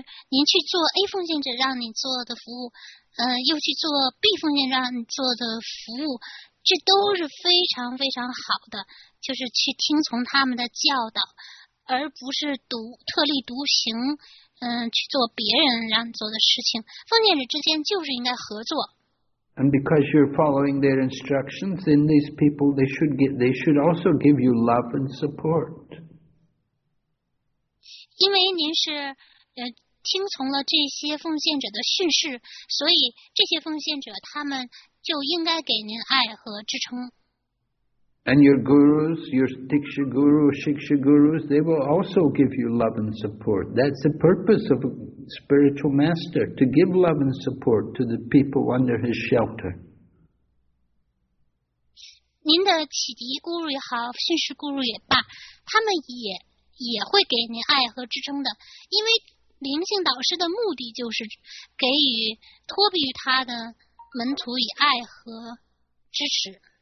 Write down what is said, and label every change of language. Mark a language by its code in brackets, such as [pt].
[zh] 您去做 A 奉献者让你做的服务。又去做 B 奉献让你做的服务，这都是非常非常好的，就是去听从他们的教导，而不是特立独行，去做别人让你做的事情。奉献者之间就是应该合作。 [en] And because you're following their instructions, then these people they should also give you love and support. [zh] 因为您是听从了这些奉献者的训示，所以这些奉献者他们就应该给您爱和支撑。 [en] And your gurus, your Diksha Guru, Shiksha Gurus, they will also give you love and support. That's the purpose of a spiritual master, to give love and support to the people under his shelter. [zh] 您的启迪咕噜也好，训示咕噜也罢，他们也会给您爱和支撑的，因为灵性导师的目的就是给予托庇于他的门徒以爱和支持。